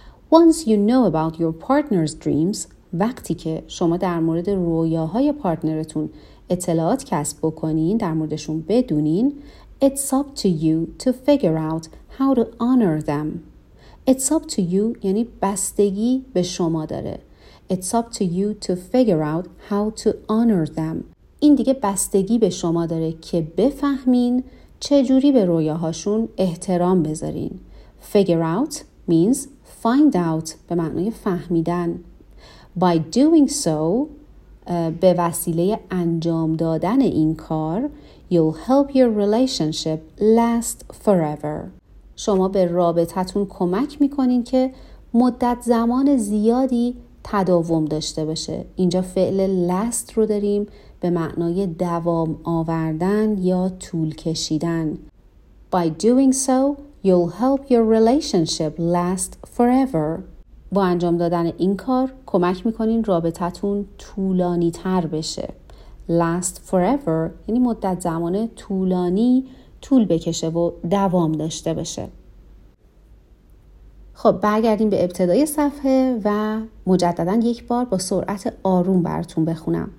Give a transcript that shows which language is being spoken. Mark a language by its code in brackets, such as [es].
[en] Once you know about your partner's dreams، [fa] وقتی که شما در مورد رویاهای پارتنرتون اطلاعات کسب بکنین، در موردشون بدونین، [en] It's up to you to figure out how to honor them. It's up to you [fa] یعنی بستگی به شما داره. [en] It's up to you to figure out how to honor them. [fa] این دیگه بستگی به شما داره که بفهمین چجوری به رویاهاشون احترام بذارین. [en] Figure out means find out [fa] به معنی فهمیدن. [en] By doing so، [fa] به وسیله انجام دادن این کار، [en] you'll help your relationship last forever. [fa] شما به رابطتون کمک میکنین که مدت زمان زیادی تداوم داشته باشه. اینجا فعل last رو داریم، به معنای دوام آوردن یا طول کشیدن. [en] By doing so, you'll help your relationship last forever. [fa] با انجام دادن این کار کمک میکنین رابطتون طولانی تر بشه. [en] Last forever [fa] یعنی مدت زمان طولانی طول بکشه و دوام داشته باشه. خب برگردیم به ابتدای صفحه و مجدداً یک بار با سرعت آروم براتون بخونم.